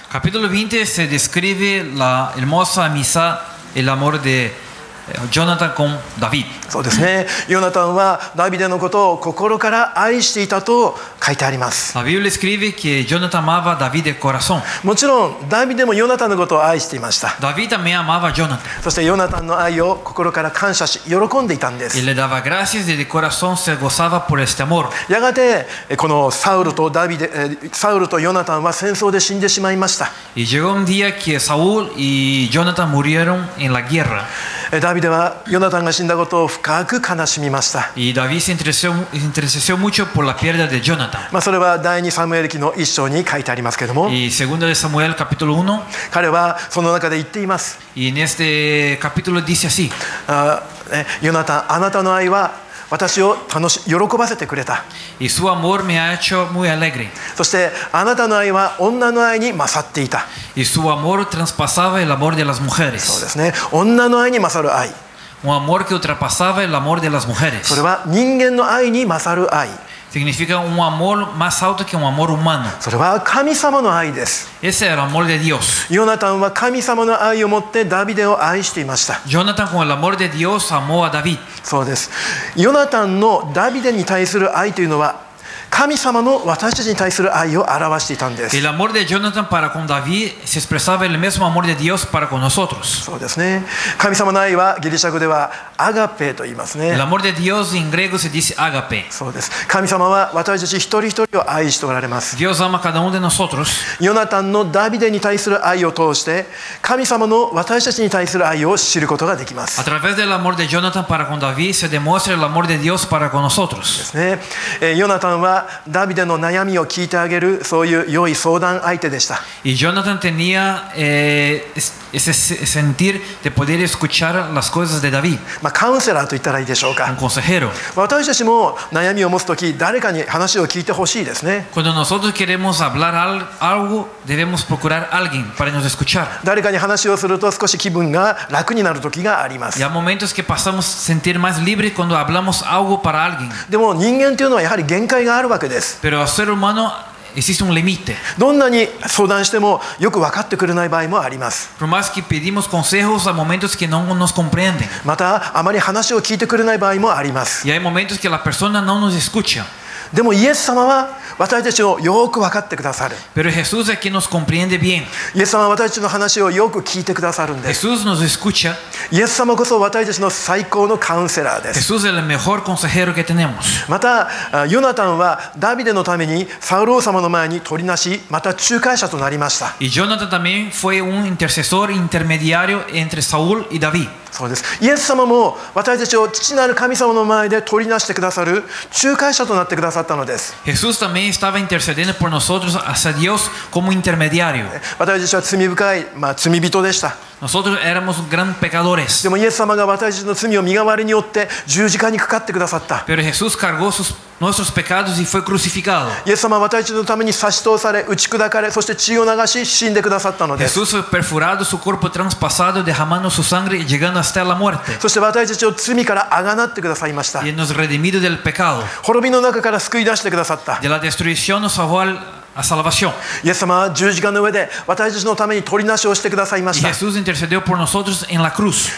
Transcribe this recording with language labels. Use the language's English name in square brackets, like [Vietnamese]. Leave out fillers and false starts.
[Spanish] カピトル20 se describe la hermosa amistad y el amor de Jonathan con David. [Japanese] そうですね、ヨナタンはダビデのことを心から愛していたと書いてあります。 [Spanish] La Biblia escribe que Jonathan amaba David de corazón. [Japanese] もちろんダビデもヨナタンのことを愛していました。 [Spanish] David también amaba Jonathan. [Japanese] そしてヨナタンの愛を心から感謝し喜んでいたんです。 [Spanish] Y le daba gracias y de corazón se gozaba por este amor. [Japanese] やがてこのサウルとヨナタンは戦争で死んでしまいました。 [Spanish] Y llegó un día que Saúl y Jonathan murieron en la guerra. [Japanese] ダビデはヨナタンが死んだことを深く悲しみました。 [Spanish] Y David se interesó mucho por la pérdida de Jonathan. [Japanese] まあ、それは第2サムエル記の1章に書いてありますけども、 [Spanish] segundo de Samuel, capítulo 1, [Japanese] 彼はその中で言っています。 [Spanish] Y en este capítulo dice así, [Japanese] ヨナタン、あなたの愛は私を喜ばせてくれた。 [Spanish] Y su amor me ha hecho muy alegre. [Japanese] そしてあなたの愛は女の愛に勝っていた。 [Spanish] Y su amor traspasaba el amor de las mujeres. [Japanese] そうですね、女の愛に勝る愛。 [Spanish] Un amor que ultrapasaba el amor de las mujeres. [Japanese] それは人間の愛に勝る愛。 [Spanish] Significa un amor más alto que un amor humano. [Japanese] それは神様の愛です。 [Spanish] Ese era el amor de Dios. [Japanese] ヨナタンは神様の愛を持ってダビデを愛していました。 [Spanish] ヨナタン con el amor de Dios amó a David. [Japanese] そうです。ヨナタンのダビデに対する愛というのは神様の私たちに対する愛を表していたんです。 [Spanish] El amor de Jonathan para con David se expresaba el mismo amor de Dios para con nosotros. [Japanese] そうですね。神様の愛はギリシャ語ではアガペと言いますね。 [Spanish] El amor de Dios en griego se dice agape. [Japanese] そうです。神様は私たち一人一人を愛しておられます。 [Spanish] Dios ama cada uno de nosotros. [Japanese] ヨナタンのダビデに対する愛を通して神様の私たちに対する愛を知ることができます。 [Spanish] A través del amor de Jonathan para con David se demuestra el amor de Dios para con nosotros. [Japanese] ですね。ヨナタンはダビデの悩みを聞いてあげるそういう良い相談相手でした。 [Spanish] Y Jonathan tenía, ese sentir de poder escuchar las cosas de David. [Japanese] まあ、カウンセラーと言ったらいいでしょうか。 [Spanish] Un consejero. [Japanese] 私たちも悩みを持つとき誰かに話を聞いてほしいですね。 [Spanish] Cuando nosotros queremos hablar algo, debemos procurar alguien para nos escuchar. [Japanese] 誰かに話をすると少し気分が楽になるときがあります。 [Spanish] Y hay momentos que pasamos sentir más libre cuando hablamos algo para alguien. [Japanese] でも人間というのはやはり限界があるわけです。 [Spanish] Pero el ser humanoExiste un límite. [Japanese] どんなに相談してもよく分かってくれない場合もあります。 [Spanish] Por más que pedimos consejos, hay momentos que no nos comprenden. [Japanese] また、あまり話を聞いてくれない場合もあります。 [Spanish] Y hay momentos que la persona no nos escucha. [Japanese] でもイエス様は私たちをよく分かってくださる。 [Spanish] Pero Jesús es quien nos comprende bien. [Japanese] イエス様は私たちの話をよく聞いてくださるんです。 [Spanish] Jesús nos escucha. [Japanese] イエス様こそ私たちの最高のカウンセラーです。 [Spanish] Jesús es el mejor consejero que tenemos. [Japanese] また、ヨナタンはダビデのためにサウル王様の前に取りなし、また仲介者となりました。 [Spanish] Y Jonathan también fue un intercesor intermediario entre Saúl y David. [Japanese] そうです。イエス様も私たちを父なる神様の前で取りなしてくださる仲介者となってくださったのです。 [Spanish] Jesús también estaba intercediendo por nosotros hacia Dios como intermediario. [Japanese] 私たちは罪深い、まあ、罪人でした。 [Spanish] Nosotros éramos grandes pecadores. [Japanese] でもイエス様が私の罪を身代わりによって十字架にかかってくださった。 [Spanish] Pero Jesús cargó sus nuestros pecados y fue crucificado. [Japanese] イエス様は私のために刺し通され、打ち砕かれ、そして血を流し死んでくださったのです。 [Spanish] Jesús fue perforado, su cuerpo traspasado, derramando su sangre y llegando hasta la muerte. [Japanese] そして私たちを罪から贖ってくださいました。 [Spanish] Y nos redimido del pecado. [Japanese] 滅びの中から救い出してくださった。 [Spanish] De la destrucción nos salvó al... [Japanese] イエス様は十字架の上で私たちのために取りなしをしてくださいました。 [Spanish] Jesús intercedió por nosotros en la cruz.